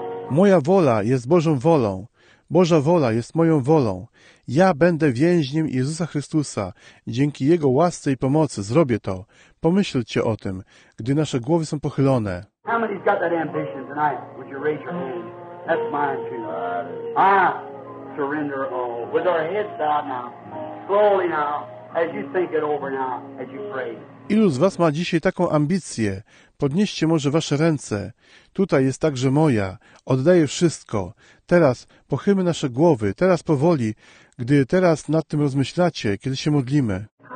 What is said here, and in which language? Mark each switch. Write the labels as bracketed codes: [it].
[pl] Moja wola jest Bożą wolą. Boża wola jest moją wolą. Ja będę więźniem Jezusa Chrystusa. Dzięki Jego łasce i pomocy zrobię to. Pomyślcie o tym, gdy nasze głowy są pochylone. [en] How many got that ambition tonight? Would you raise your hand? That's mine too. I surrender all. With our heads bowed now. Slowly now. As you think it over now. As you pray. [pl] Ilu z was ma dzisiaj taką ambicję? Podnieście może wasze ręce. Tutaj jest także moja. Oddaję wszystko. Teraz pochylmy nasze głowy. Teraz powoli, gdy teraz nad tym rozmyślacie, kiedy się modlimy.